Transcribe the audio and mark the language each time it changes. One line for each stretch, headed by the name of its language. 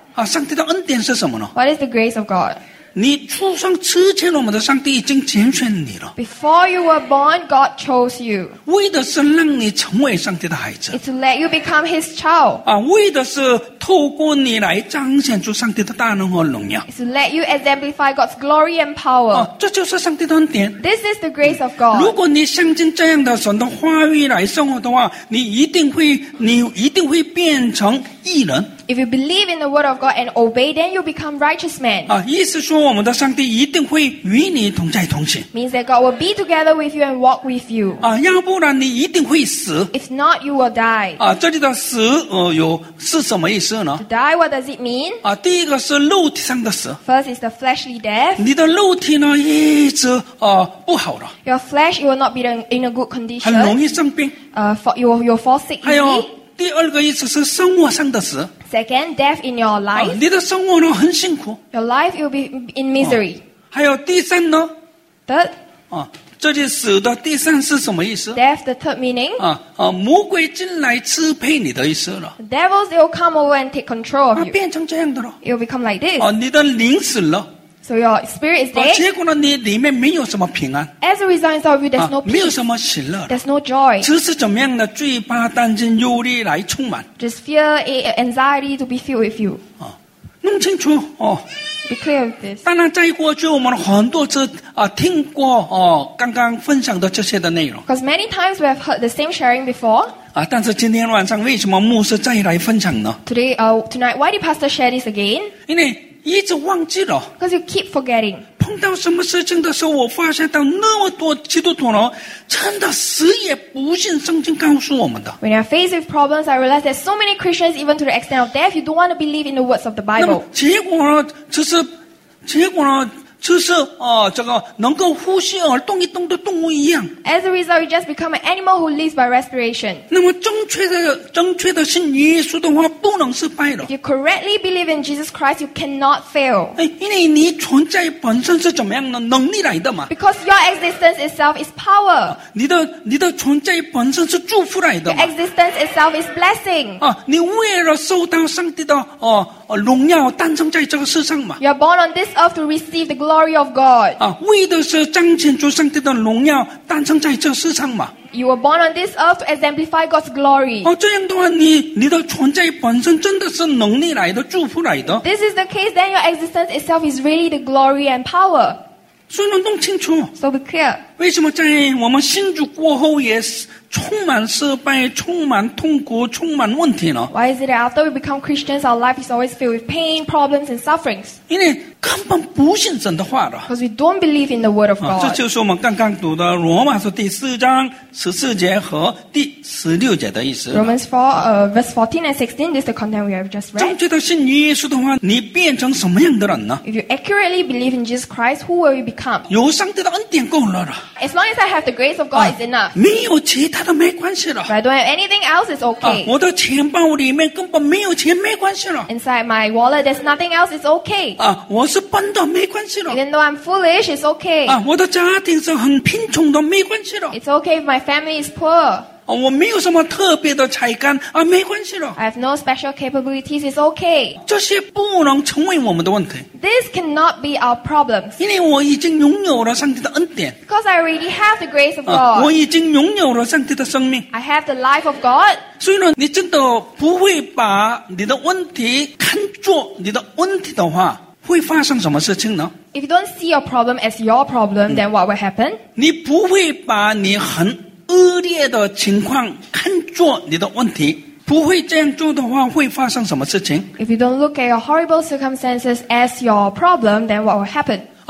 Chinese: 啊，上帝的恩典是什么呢
English: ？What is the grace of God?
Chinese: 你出生之前，我们的上帝已经拣选你了。
English: Before you were born, God chose you.
Chinese: 为的是让你成为上帝的孩子。
English: It's to let you become His child.
Chinese: 啊，为的是透过你来彰显出上帝的大能和荣耀。
English: It's to let you exemplify God's glory and power.
Chinese: 啊，这就是上帝的恩典。
English: This is the grace of God.
Chinese: 如果你相信这样的神的话语来生活的话，你一定会变成义人。
English: If you believe in the word of God and obey, then you become righteous man.
Chinese: 啊，意思说我们的上帝一定会与你同在同行。
English: Means that God will be together with you and walk with you.
Chinese: 啊，要不然你一定会死。
English: If not, you will die.
Chinese: 啊，这里的死，是什么意思呢
English: ？To die, what does it mean?
Chinese: 啊，第一个是肉体上的死。
English: First is the fleshly death.
Chinese: 你的肉体呢，一直不好了。
English: Your flesh, it will not be in a good condition.
Chinese: 很容易生病。
English: You'll fall sick.
Chinese: 还有第二个意思是生活上的死。
English: Second, death in your life.
Chinese: 你的生活呢很辛苦。
English: Your life will be in misery.
Chinese: 还有第三呢
English: ？Third.
Chinese: 这里死的第三是什么意思
English: ？Death, the third meaning.
Chinese: 魔鬼进来支配你的意思了。
English: The devils will come over and take control of you.
Chinese: 变成这样的了。
English: It will become like this.
Chinese: 你的灵死了。
English: So your spirit is dead.
Chinese: 结果呢，你里面没有什么平安。
English: As a result of you, there's no peace.
Chinese: 没有什么喜乐。
English: There's no joy.
Chinese: 只是怎么样的罪把担心忧虑来充满。
English: Just fear, anxiety to be filled with you.
Chinese: 弄清楚
English: Be clear with this.
Chinese: 当然，在过去我们很多次听过刚刚分享的这些的内容。
English: Because many times we have heard the same sharing before.
Chinese: 但是今天晚上为什么牧师再来分享呢
English: ？Tonight, why did Pastor share this again?
Chinese: 因为一直忘记了。
English: Because you keep forgetting.
Chinese: 碰到什么事情的时候，我发现到那么多基督徒呢，真的死也不信圣经告诉我们的。
English: When you're faced with problems, I realize that so many Christians, even to the extent of death, you don't want to believe in the words of the Bible.
Chinese: 那么结果呢，就是这个能够呼吸而动一动的动物一样。
English: As a result, you just become an animal who lives by respiration.
Chinese: 那么正确的信耶稣的话，不能失败了。
English: If you correctly believe in Jesus Christ, you cannot fail.
Chinese: 因为你存在本身是怎么样的能力来的嘛
English: ？Because your existence itself is power.
Chinese: 你的存在本身是祝福来的嘛
English: ？Your existence itself is blessing.
Chinese: 你为了受到上帝的荣耀诞生在这个世上嘛
English: ？You are born on this earth to receive the glory of God.
Chinese: 为的是彰显出上帝的荣耀诞生在这世上嘛
English: ？You were born on this earth to exemplify God's glory.
Chinese: 这样的话，你的存在本身真的是能力来的，祝福来的。
English: This is the case. Then your existence itself is really the glory and power.
Chinese: 所以能弄清楚。
English: So be clear.
Chinese: 为什么在我们信主过后也是？充满失败，充满痛苦，充满问题呢
English: ？Why is it that after we become Christians, our life is always filled with pain, problems, and sufferings?
Chinese: 因为根本不信神的话了。
English: Because we don't believe in the word of God.
Chinese: 这就是我们刚刚读的罗马书第四章十四节和第十六节的意思。
English: Romans 4, verse 14 and 16, this is the content we have just read.
Chinese: 正确的信耶稣的话，你变成什么样的人呢
English: ？If you accurately believe in Jesus Christ, who will you become?
Chinese: 有上帝的恩典够了。
English: As long as I have the grace of God, it's enough.
Chinese: 没有其他都没关系了。
English: I don't have anything else, it's okay.
Chinese: 我的钱包里面根本没有钱，没关系了。
English: Inside my wallet, there's nothing else, it's okay.
Chinese: 我是笨的，没关系了。
English: Even though I'm foolish, it's okay.
Chinese: 我的家庭是很贫穷的，没关系了。
English: It's okay if my family is poor.
Chinese: 我没有什么特别的才干，没关系了。
English: I have no special capabilities, it's okay.
Chinese: 这些不能成为我们的问题。
English: This cannot be our problem.
Chinese: 因为我已经拥有了上帝的恩典。
English: Because I already have the grace of God.
Chinese: 我已经拥有了上帝的生命。
English: I have the life of God.
Chinese: 所以呢，你真的不会把你的问题看作你的问题的话，会发生什么事情呢？
English: If you don't see your problem as your problem, then what will happen?
Chinese: 你不会把你很恶劣的情况看作你的问题。不会这样做的话，会发生什么事情？
English: If you don't look at your horrible circumstances as your problem, then what will happen?